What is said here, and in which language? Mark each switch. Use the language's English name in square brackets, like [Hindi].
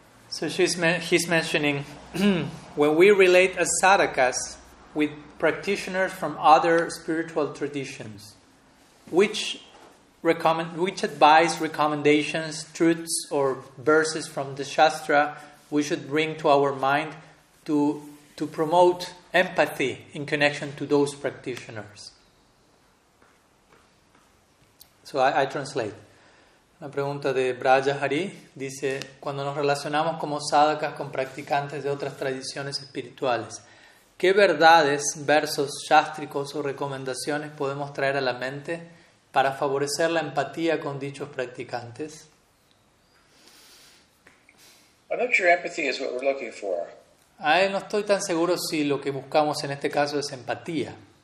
[English] So he's mentioning, when we relate as sadhakas with practitioners from other spiritual traditions, which advice, recommendations, truths, or verses from the Shastra we should bring to our mind to promote empathy in connection to those practitioners. So I translate. [Spanish] La pregunta de Brajahari dice, cuando nos relacionamos como sadhakas con practicantes de otras tradiciones espirituales, ¿qué verdades, versos, shástricos o recomendaciones podemos traer a la mente para favorecer la empatía con dichos practicantes? [English] I'm not sure empathy is what we're looking for. [Spanish] No estoy tan seguro si lo que buscamos en este caso es empatía.